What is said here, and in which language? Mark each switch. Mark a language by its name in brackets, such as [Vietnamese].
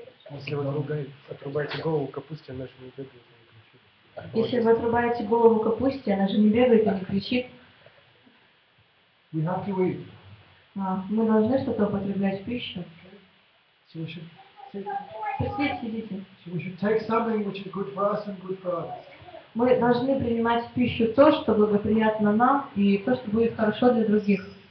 [Russian] Если вы отрубаете голову капусте, она же не бегает и не кричит. Если вы отрубаете голову капусте, она же не бегает и не кричит. [English] We have to eat. [Russian] Мы должны что-то употреблять в пищу. [English] So we should [Russian] сидите. [English] So we should take something which is good for us and good for others. [Russian] Мы должны принимать в пищу то, что благоприятно нам, и то, что будет хорошо для других.